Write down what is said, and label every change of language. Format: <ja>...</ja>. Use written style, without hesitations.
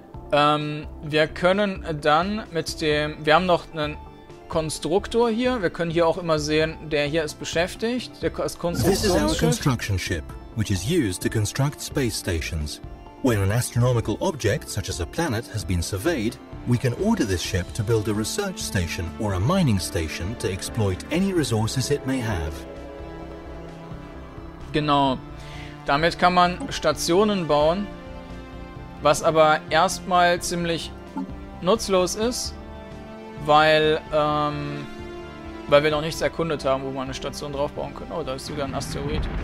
<de>Wir können dann mit dem... Wir haben noch einen Konstruktor hier. Wir können hier auch immer sehen, der hier ist beschäftigt. Der ist Konstruktor.</de> <en>This is our construction ship, which is used to construct space stations. When an astronomical object, such as a planet, has been surveyed, we can order this ship to build a research station or a mining station to exploit any resources it may have.</en> <de>Genau. Damit kann man Stationen bauen, was aber erstmal ziemlich nutzlos ist, weil wir noch nichts erkundet haben, wo man eine Station drauf bauen können. Oh, da ist sogar ein Asteroid.</de>